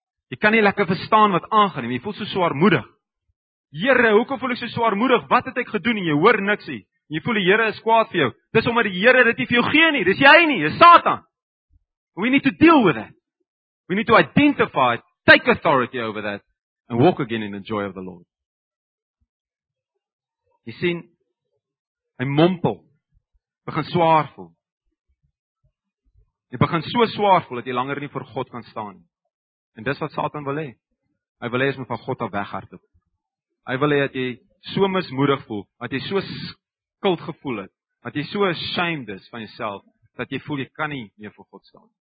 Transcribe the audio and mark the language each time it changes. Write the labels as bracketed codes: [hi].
[af] Jy kan nie lekker verstaan wat aangaan nie, jy voel so swaarmoedig. Here, hoekom voel ek so swaarmoedig? Wat het ek gedoen? En jy hoor niks nie. En jy voel die Here is kwaad vir jou. Dis omdat die Here dit nie vir jou gee nie. Dis jy nie, dis Satan. [en] We need to deal with it. We need to identify, take authority over that, and walk again in the joy of the Lord. [af] Jy sien, hy mompel, begin swaar voel. Jy begin so swaar voel, dat jy langer nie voor God kan staan. En dis wat Satan wil hê. Hy wil hê jy moet van God af weghardloop. Hy wil hê dat jy so mismoedig voel, dat jy so skuld gevoel het, dat jy so ashamed is van jouself, dat jy voel jy kan nie meer voor God staan.